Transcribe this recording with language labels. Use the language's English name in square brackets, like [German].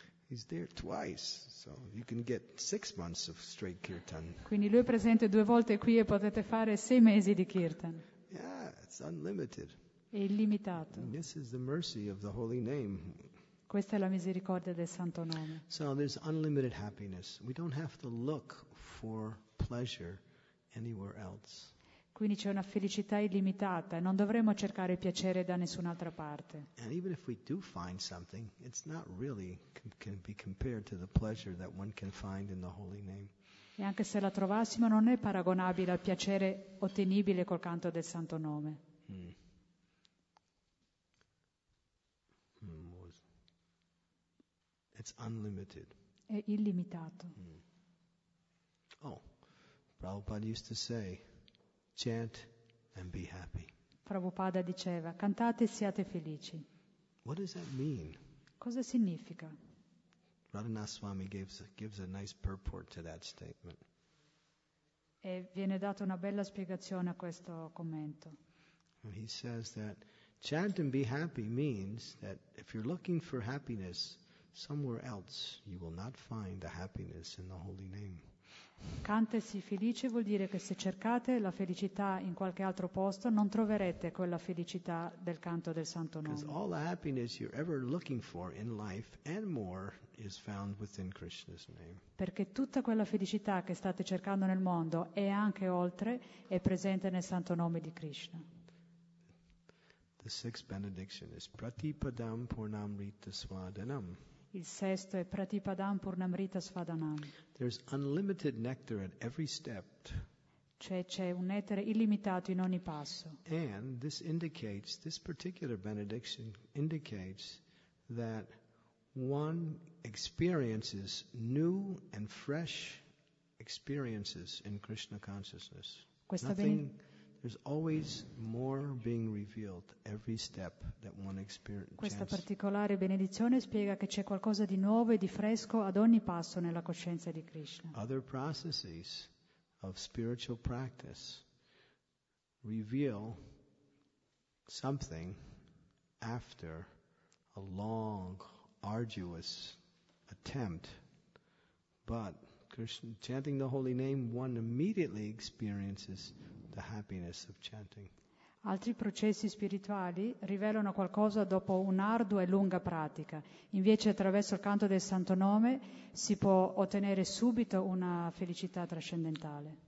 [English] He's there twice, so you can get 6 months of straight kirtan. [Italian] Quindi lui è presente 2 volte qui e potete fare 6 mesi di kirtan. [English] Yeah, it's unlimited. [Italian] È illimitato. [English] And this is the mercy of the holy name. [Italian] Questa è la misericordia del Santo Nome. [English] So there's unlimited happiness. We don't have to look for pleasure anywhere else. [Italian] Quindi c'è una felicità illimitata e non dovremmo cercare piacere da nessun'altra parte. [English] And even if we do find something, it's not really can be compared to the pleasure that one can find in the holy name. [Italian] E anche se la trovassimo non è paragonabile al piacere ottenibile col canto del Santo Nome. [English] It's unlimited. [Italian] È illimitato. [English] Oh, Prabhupada used to say, chant and be happy. [Italian] Prabhupada diceva, cantate e siate felici. [English] What does that mean? [Italian] Cosa significa? [English] Radhanath Swami gives a nice purport to that statement. [Italian] E viene data una bella spiegazione a questo commento. [English] And he says that chant and be happy means that if you're looking for happiness somewhere else, you will not find the happiness in the holy name. [Italian] Cantesi felice vuol dire che se cercate la felicità in qualche altro posto non troverete quella felicità del canto del Santo Nome. [English] Because all the happiness you're ever looking for in life and more is found within Krishna's name. [Italian] Perché tutta quella felicità che state cercando nel mondo e anche oltre è presente nel Santo Nome di Krishna. [English] The sixth benediction is Pratipadam Purnamrita Svadanam. [Italian] Il sesto è Pratipadam Purnamrita Svadanam. [English] There's unlimited nectar at every step. [Italian] Cioè c'è un etere illimitato in ogni passo. [English] And this particular benediction indicates that one experiences new and fresh experiences in Krishna consciousness. There's always more being revealed every step that one experiences. [Italian] Questa particolare benedizione spiega che c'è qualcosa di nuovo e di fresco ad ogni passo nella coscienza di Krishna. [English] Other processes of spiritual practice reveal something after a long, arduous attempt, but chanting the holy name, one immediately experiences the happiness of chanting. [Italian] Altri processi spirituali rivelano qualcosa dopo un'ardua e lunga pratica. Invece, attraverso il canto del Santo Nome, si può ottenere subito una felicità trascendentale.